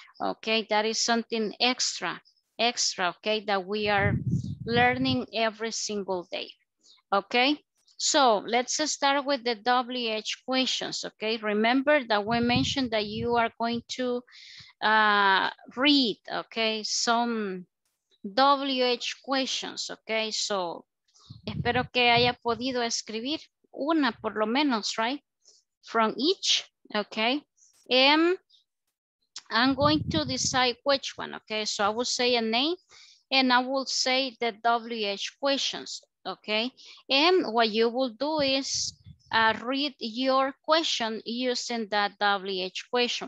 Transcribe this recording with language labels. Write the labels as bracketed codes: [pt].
[en] Okay, that is something extra, okay, that we are learning every single day. Okay, so let's start with the WH questions. Okay, remember that we mentioned that you are going to read, okay, some WH questions. [es] Okay, so espero que haya podido escribir una por lo menos, right? [en] From each, okay? And I'm going to decide which one, okay? So I will say a name and I will say the WH questions, okay? And what you will do is read your question using that WH question.